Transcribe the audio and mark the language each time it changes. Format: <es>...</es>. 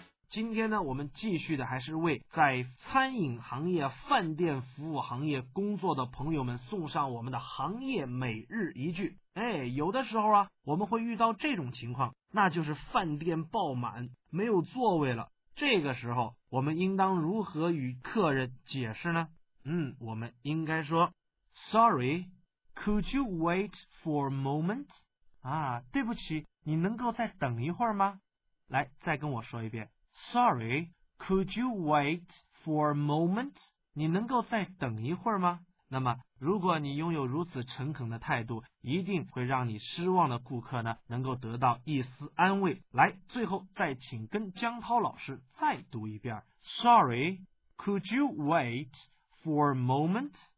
<zh>今天呢，我们继续的还是为在餐饮行业、饭店服务行业工作的朋友们送上我们的行业每日一句。有的时候啊，我们会遇到这种情况，那就是饭店爆满，没有座位了。这个时候，我们应当如何与客人解释呢？我们应该说 ，</zh> <en>Sorry, could you wait for a moment？</en> <zh>对不起，你能够再等一会儿吗？来，再跟我说一遍。</zh> <en>Sorry, could you wait for a moment?</en> <zh>你能够再等一会儿吗？那么，如果你拥有如此诚恳的态度，一定会让你失望的顾客呢，能够得到一丝安慰。来，最后再请跟江涛老师再读一遍。</zh> <en>Sorry, could you wait for a moment?</en>